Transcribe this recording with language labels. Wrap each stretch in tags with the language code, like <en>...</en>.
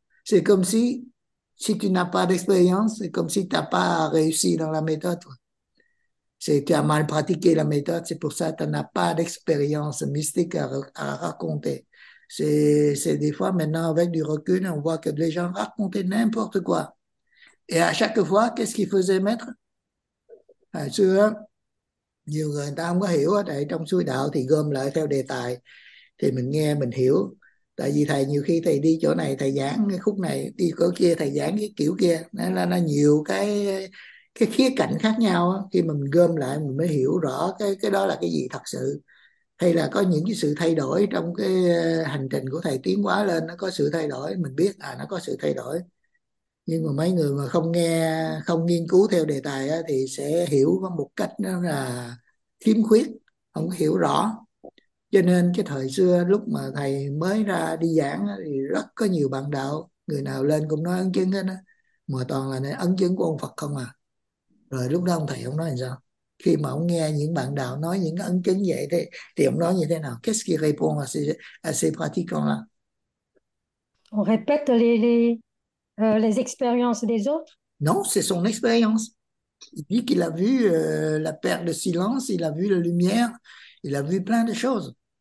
<fr>C'est comme si tu n'as pas d'expérience, c'est comme si tu n'as pas réussi dans la méthode, quoi. C'est tu as mal pratiqué la méthode, c'est pour ça que tu n'as pas d'expérience mystique à raconter. C'est des fois maintenant avec du recul, on voit que les gens racontaient n'importe quoi. Et à chaque fois, qu'est-ce qu'ils faisaient maître?</fr> <vi>À xưa, nhiều người ta không có hiểu, tại trong suối đạo thì gom lại theo đề tài, thì mình nghe mình hiểu. Tại vì thầy nhiều khi thầy đi chỗ này thầy giảng cái khúc này, đi chỗ kia thầy giảng cái kiểu kia, nên là nó nhiều cái khía cạnh khác nhau, khi mình gom lại mình mới hiểu rõ cái đó là cái gì thật sự, hay là có những cái sự thay đổi trong cái hành trình của thầy tiến hóa lên, nó có sự thay đổi mình biết là nó có sự thay đổi. Nhưng mà mấy người mà không nghe, không nghiên cứu theo đề tài á, thì sẽ hiểu có một cách đó là khiếm khuyết, không hiểu rõ. Cho nên cái thời xưa lúc mà thầy mới ra đi giảng thì rất có nhiều bạn đạo, người nào lên cũng nói ấn chứng hết á, mà toàn là nói ấn chứng của ông Phật không à. Rồi lúc đó ông thầy ông nói làm sao? Khi mà ông nghe những bạn đạo nói những ấn chứng vậy thì ông nói như thế nào?</vi> <fr>Qu'est-ce qu'il répond à ces pratiquants là? On répète les expériences des autres. Non, c'est son expérience. Il dit qu'il a vu la paire de silence, il a vu la lumière, il a vu plein de choses.</fr>